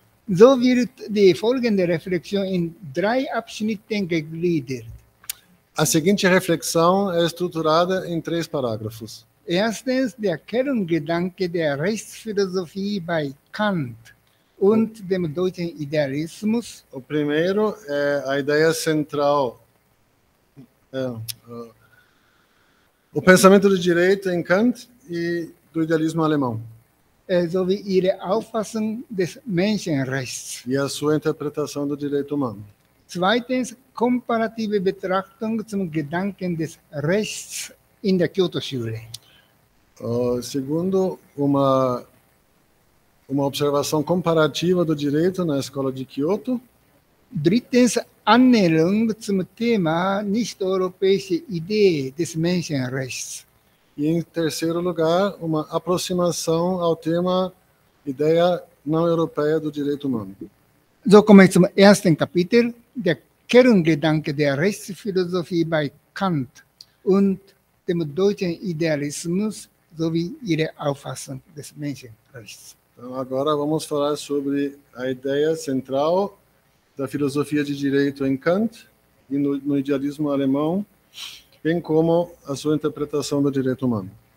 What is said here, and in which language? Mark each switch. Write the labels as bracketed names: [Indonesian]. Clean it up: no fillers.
[German] So wird die folgende Reflexion in drei Abschnitten gegliedert. [Portuguese] A seguinte reflexão é estruturada em três parágrafos. [German] Erstens, der Kerngedanke der Rechtsphilosophie bei Kant und dem deutschen Idealismus. [Portuguese] O primeiro é a ideia central. O pensamento do direito em Kant e do idealismo alemão. [German] Sowie ihre Auffassung des Menschenrechts. [Portuguese] E a sua interpretação do direito humano. [German] Zweitens, komparative Betrachtung zum Gedanken des Rechts in der Kyoto-Schule. [Portuguese] Segundo, uma observação comparativa do direito na escola de Kyoto. [German] Drittens, Annäherung zum Thema nicht-europäische Idee des Menschenrechts. [Portuguese] E, em terceiro lugar, uma aproximação ao tema ideia não-europeia do direito humano. [German] So kommen zum ersten Kapitel, der Kerngedanke der Rechtsphilosophie bei Kant und dem deutschen Idealismus sowie ihre Auffassung des Menschenrechts. [Portuguese] Então, agora vamos falar sobre a ideia central da filosofia de direito em Kant e no idealismo alemão, bem como a sua interpretação do direito humano.